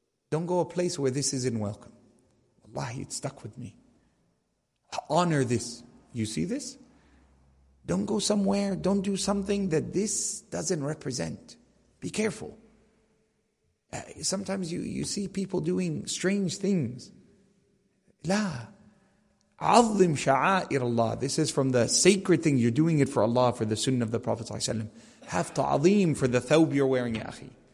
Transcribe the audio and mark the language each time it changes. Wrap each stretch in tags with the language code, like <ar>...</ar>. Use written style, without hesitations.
<en>Don't go a place where this isn't welcome. Wallahi, it stuck with me. Honor this. You see this? Don't go somewhere, don't do something that this doesn't represent. Be careful. Sometimes you see people doing strange things.</en> <ar>La, عظم شعائر الله.</ar> <en>This is from the sacred thing. You're doing it for Allah, for the sunnah of the Prophet ﷺ. Have ta'zim for the thawb you're wearing, ya akhi.</en>